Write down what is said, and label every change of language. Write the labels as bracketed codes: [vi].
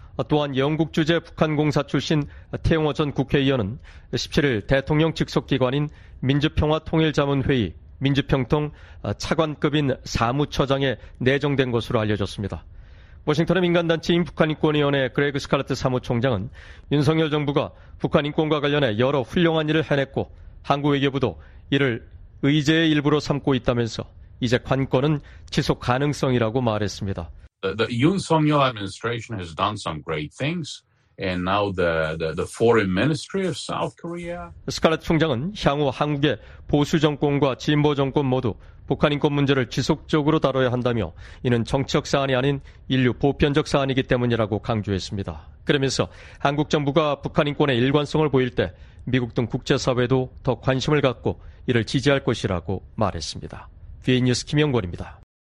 [ko] 또한 영국 주재 북한공사 출신 태용호 전 국회의원은 17일 대통령 직속기관인 민주평화통일자문회의 민주평통 차관급인 사무처장에 내정된 것으로 알려졌습니다. 워싱턴의 민간단체인 북한인권위원회 그레그 스칼레트 사무총장은 윤석열 정부가 북한인권과 관련해 여러 훌륭한 일을 해냈고 한국 외교부도 이를 의제의 일부로 삼고 있다면서 이제 관건은 지속 가능성이라고 말했습니다. [en] The Yoon-Sung-Yeol administration has done some great things, and now the Foreign Ministry of South Korea. [ko] 스칼렛 총장은 향후 한국의 보수 정권과 진보 정권 모두 북한 인권 문제를 지속적으로 다뤄야 한다며 이는 정치적 사안이 아닌 인류 보편적 사안이기 때문이라고 강조했습니다. 그러면서 한국 정부가 북한 인권의 일관성을 보일 때 미국 등 국제사회도 더 관심을 갖고 이를 지지할 것이라고 말했습니다. VN 뉴스 김영권입니다.